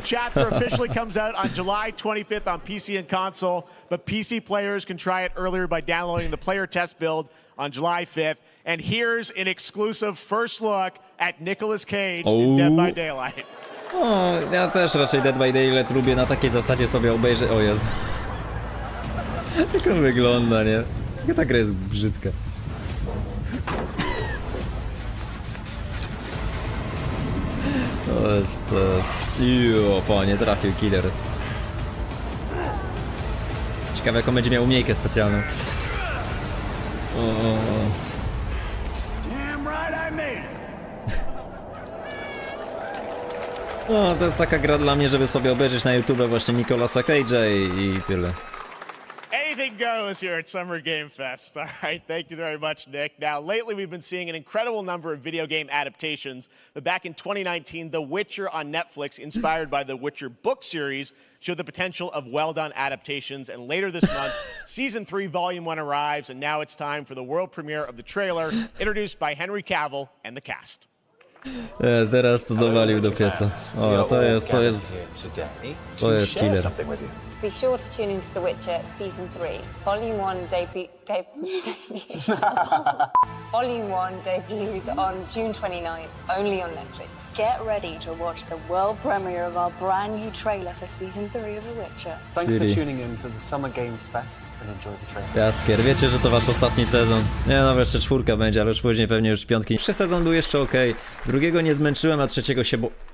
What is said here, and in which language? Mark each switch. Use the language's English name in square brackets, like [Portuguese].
[English] The chapter officially comes out on July 25th on PC and console, but PC players can try it earlier by downloading the player test build on July 5th. And here's an exclusive first look at Nicolas Cage oh. in Dead by Daylight. [Polish] O, ja też raczej Dead by Daylight lubię na takiej zasadzie sobie obejrzeć. O Jezu. Jak on wygląda, nie? Jaka ta gra jest brzydka. To jest. Jo, panie, trafił killer. Ciekawe, jaką będzie miał umiejkę specjalną. O. No, to jest taka gra dla mnie, żeby sobie obejrzeć na YouTube właśnie Nicolasa Cage'a i tyle. [English] Anything goes here at Summer Game Fest. All right, thank you very much, Nick. Now, lately we've been seeing an incredible number of video game adaptations, but back in 2019, The Witcher on Netflix, inspired by The Witcher book series, showed the potential of well-done adaptations, and later this month, Season 3, Volume 1 arrives, and now it's time for the world premiere of the trailer, introduced by Henry Cavill and the cast. [Polish] Teraz to dowalił do pieca. O, to jest killer. [English] be sure to tune into The Witcher Season 3, Volume 1 Volume 1 debuts on June 29th, only on Netflix. Get ready to watch the world premiere of our brand new trailer for Season 3 of The Witcher. Thanks for tuning in to the Summer Games Fest and enjoy the trailer. [Polish] Jaskier, wiecie, że to wasz ostatni sezon. Nie, no, jeszcze czwórka będzie, ale już później pewnie już piątki. Przez sezon był jeszcze okej. Okay. Drugiego nie zmęczyłem, a trzeciego się bo...